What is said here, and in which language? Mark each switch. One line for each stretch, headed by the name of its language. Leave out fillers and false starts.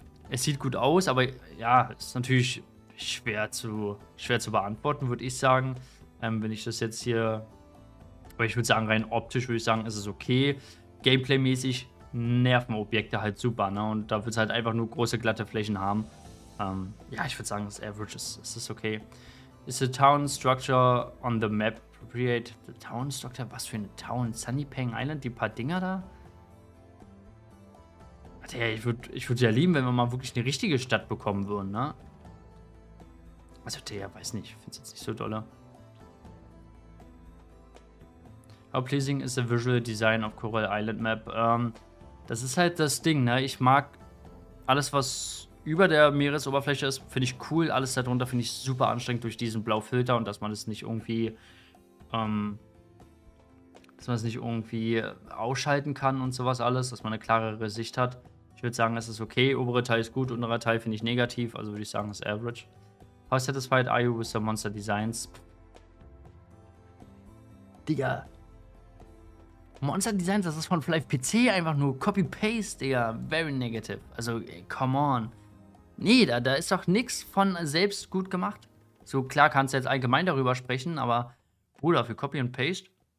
German: Es sieht gut aus, aber ja, ist natürlich schwer zu beantworten, würde ich sagen. Wenn ich das jetzt hier, aber ich würde sagen, rein optisch würde ich sagen, ist es okay. Gameplay-mäßig nerven Objekte halt super, ne? Und da wird es halt einfach nur große, glatte Flächen haben. Ja, ich würde sagen, das Average ist okay.
English: Is the town structure on the map appropriate? The town structure?
German: Was für eine Town? Sunnypeng Island? Die paar Dinger da? Warte, ja, ich würde ja lieben, wenn wir mal wirklich eine richtige Stadt bekommen würden, ne? Also, der, ja, weiß nicht. Ich finde es jetzt nicht so dolle.
English: How pleasing is the visual design of Coral Island Map?
German: Das ist halt das Ding, ne? Ich mag alles, was über der Meeresoberfläche ist, finde ich cool. Alles darunter finde ich super anstrengend durch diesen Blaufilter und dass man es nicht irgendwie, dass man es nicht irgendwie ausschalten kann und sowas alles, dass man eine klarere Sicht hat. Ich würde sagen, es ist okay. Obere Teil ist gut, unterer Teil finde ich negativ, also würde ich sagen, ist average.
English: How satisfied are you with the monster designs?
German: Digga. Monster Designs, das ist von Flight PC einfach nur Copy-Paste, Digga.
English: Very negative.
German: Also,
English: come on.
German: Nee, da ist doch nichts von selbst gut gemacht. So, klar kannst du jetzt allgemein darüber sprechen, aber Bruder, für Copy und Paste?